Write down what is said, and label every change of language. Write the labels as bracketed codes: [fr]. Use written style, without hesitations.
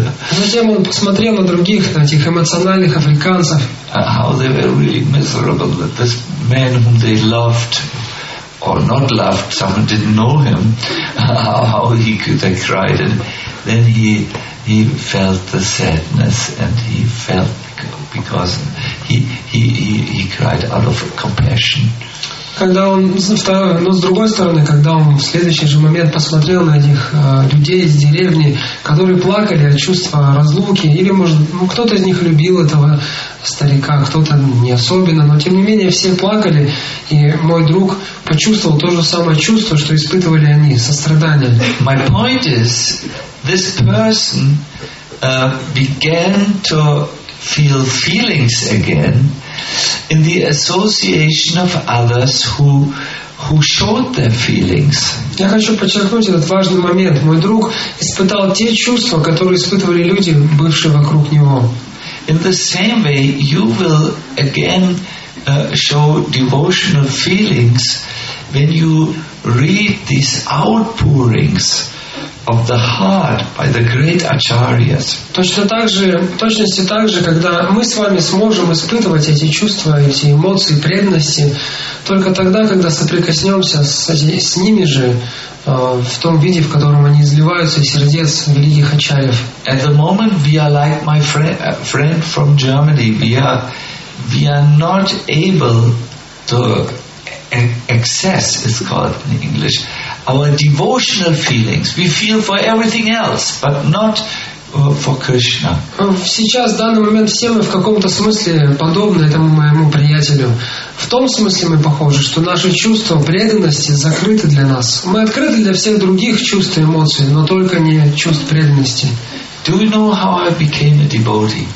[ru] Затем он посмотрел на других, на этих эмоциональных африканцев. [en] How they were really miserable that this man whom they loved. Or not loved, someone didn't know him, how he could have cried. And then he felt the sadness, and he felt because he cried out of compassion. [ru] Когда он, но с другой стороны, когда он в следующий же момент посмотрел на этих людей из деревни, которые плакали от чувства разлуки, или, может, ну, кто-то из них любил этого старика, кто-то не особенно, но, тем не менее, все плакали, и мой друг почувствовал то же самое чувство, что испытывали они, сострадание. [en] My point is, this person began to feel feelings again in the association of others who showed their feelings. [ru] Я хочу подчеркнуть этот важный момент. Мой друг испытал те чувства, которые испытывали люди, бывшие вокруг него. [en] In the same way, you will again show devotional feelings when you read these outpourings of the heart by the great acharyas. [ru] Точно так же, точности так же, когда мы с вами сможем испытывать эти чувства, эти эмоции, преданности, только тогда, когда соприкоснемся с ними же в том виде, в котором они изливаются из сердец великих ачарьев. [en] At the moment we are like my friend from Germany. We are not able to access, it's called in English, our devotional feelings. We feel for everything else, but not for Krishna. [ru] Сейчас, в данный момент, все мы в каком-то смысле подобны этому моему приятелю. В том смысле мы похожи, что наши чувства преданности закрыты для нас. Мы открыты для всех других чувств и эмоций, но только не чувств преданности. [en] Do you know how I became a devotee?